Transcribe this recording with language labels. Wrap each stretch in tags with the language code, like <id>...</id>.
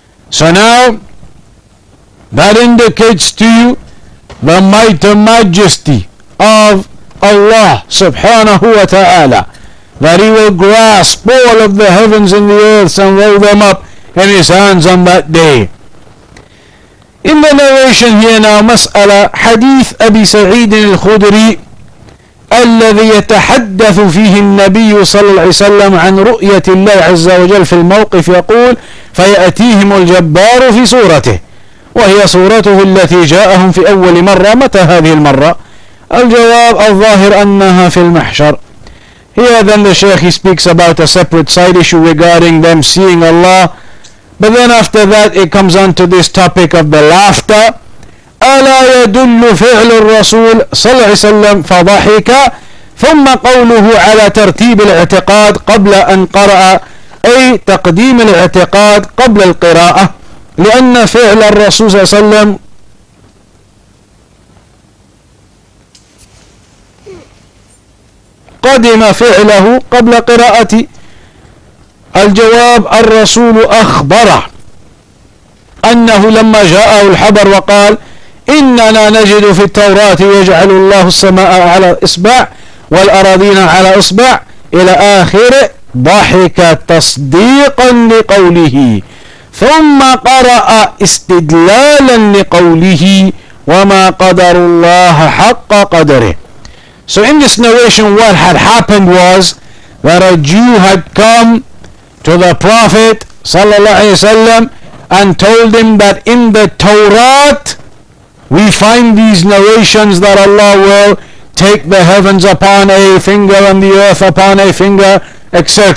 <en>So now, that indicates to you the might and majesty of Allah subhanahu wa ta'ala, that He will grasp all of the heavens and the earths and roll them up in His hands on that day. In the narration here now,</en> <ar>Mas'ala, Hadith Abi Sa'id al-Khudri, الذي يتحدث فيه النبي صلى الله عليه وسلم عن رؤية الله عز وجل في الموقف يقول فيأتيهم الجبار في صورته وهي صورته التي جاءهم في أول مرة متى هذه المرة؟ الجواب الظاهر أنها في المحشر.</ar> <en>Here then the Shaykh, he speaks about a separate side issue regarding them seeing Allah, but then after that it comes on to this topic of the laughter.</en> <ar>ألا يدل فعل الرسول صلى الله عليه وسلم فضحك ثم قوله على ترتيب الاعتقاد قبل أن قرأ أي تقديم الاعتقاد قبل القراءة لأن فعل الرسول صلى الله عليه وسلم قدم فعله قبل قراءة. الجواب الرسول أخبر أنه لما جاءه الحبر وقال إننا نجد في التوراة يجعل الله السماء على إصبع والأراضين على إصبع إلى آخره ضحك تصديقا لقوله ثم قرأ استدلالا لقوله وما قدر الله حق قدره.</ar> <en>So in this narration what had happened was that a Jew had come to the Prophet صلى الله عليه وسلم and told him that in the Torah we find these narrations that Allah will take the heavens upon a finger and the earth upon a finger, etc.</en>